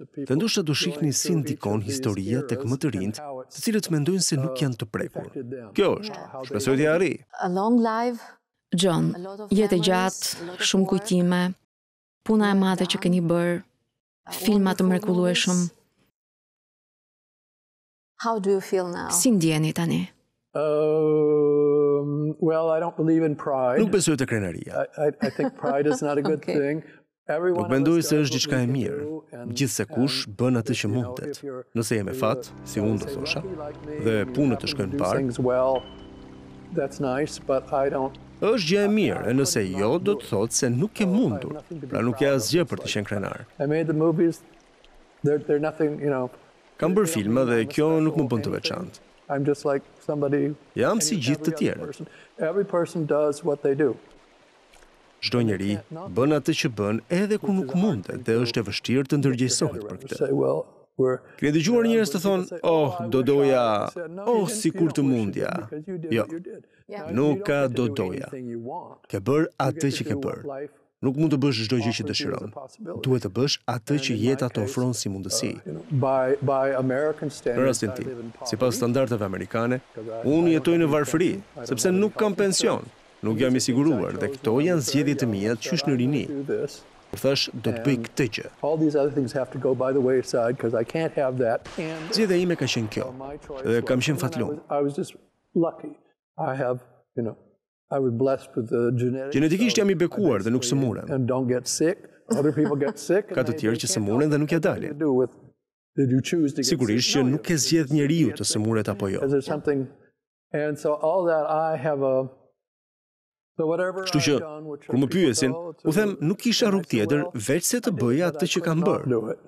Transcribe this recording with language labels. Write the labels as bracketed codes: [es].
[sq] Dhe ndoshta do shihni si ndikon historia tek më të rinjt, të cilët mendojnë se nuk janë të prekur. Kjo është, shpresoj t'i arrij. [en] A long life. [sq] Jon, jetë e gjatë, shumë kujtime, puna e madhe që keni bërë, filma të mrekullueshëm. [en] How do you feel now? [sq] Si ndjeni tani? [en] Well, I don't believe in pride. [sq] Nuk besoj te krenaria. [en] I think pride is not a good thing. Everyone [sq] nuk mendoj se është diçka e mirë. Gjithse kush bën atë që mundet. Nëse jemi fat, si unë do thosha, dhe punët të shkojnë parë. [en] That's nice, but I don't. [sq] Është gjë e mirë, e nëse jo, do të thotë se nuk ke mundur. Pra nuk ka asgjë për të qenë krenar. [en] I made the movies. They're nothing, you know. [sq] Kam bërë filma dhe kjo nuk më bën të veçantë. [en] I'm just like somebody. [sq] Jam si gjithë të tjerë. [en] Every person does what they do. [sq] Çdo njeri bën atë që bën edhe kur nuk mundet dhe është e vështirë të ndërgjegjësohet për këtë. Kënë dëgjuar njërës të thonë, oh, do doja, oh, si kur të mundja. Jo, nuk ka do doja. Ke bërë atë që ke bërë. Nuk mund të bësh çdo gjë që dëshiron. Duhet të bësh atë që jeta të ofron si mundësi. Në rastin tim, sipas standardeve amerikane, unë jetoj në varfëri, sepse nuk kam pension. Nuk jam i siguruar dhe këto janë zgjedhjet e mia qysh në rini. Kur thash do të bëj këtë gjë. [en] All these other things have to go by the wayside because I can't have that. [sq] Zgjedhja ime ka qenë kjo. Dhe kam qenë fatlum. [en] I was just lucky. I have, you know, I was blessed with the genetics. [sq] Gjenetikisht jam i bekuar dhe nuk sëmurem. [en] And don't get sick. Other people get sick. [sq] Ka të tjerë që sëmuren dhe nuk ja dalin. Sigurisht që nuk e zgjedh njeriu të sëmuret apo jo. [en] And so all that I have a. [sq] Kështu që, kur më pyesin, u them nuk isha rrugë tjetër veç se të bëja atë që kam bërë.